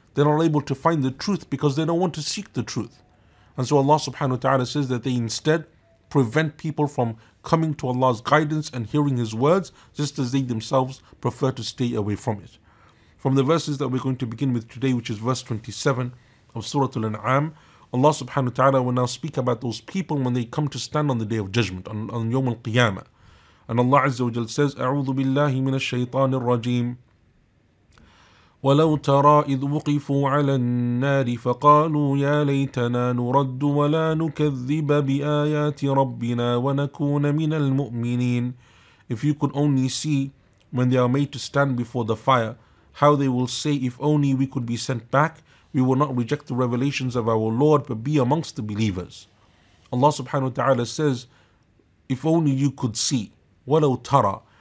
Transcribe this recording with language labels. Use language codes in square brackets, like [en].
[en] They're not able to find the truth because they don't want to seek the truth. And so Allah subhanahu wa ta'ala says that they instead prevent people from coming to Allah's guidance and hearing His words, just as they themselves prefer to stay away from it. From the verses that we're going to begin with today, which is verse 27 of Surah Al-An'am, Allah subhanahu wa ta'ala will now speak about those people when they come to stand on the Day of Judgment, on Yawm Al-Qiyamah. And Allah Azza wa Jal says, [ar] أَعُوذُ بِاللَّهِ مِنَ الشَّيْطَانِ الرَّجِيمِ وَلَوْ تَرَى إِذْ وُقِفُوا عَلَى النَّارِ فَقَالُوا يَا لَيْتَنَا نُرَدُّ وَلَا نُكَذِّبَ بِآيَاتِ رَبِّنَا وَنَكُونَ مِنَ الْمُؤْمِنِينَ. [en] If you could only see when they are made to stand before the fire, how they will say, if only we could be sent back, we will not reject the revelations of our Lord, but be amongst the believers. Allah subhanahu wa ta'ala says, if only you could see, [ar] وَلَوْ تَرَى.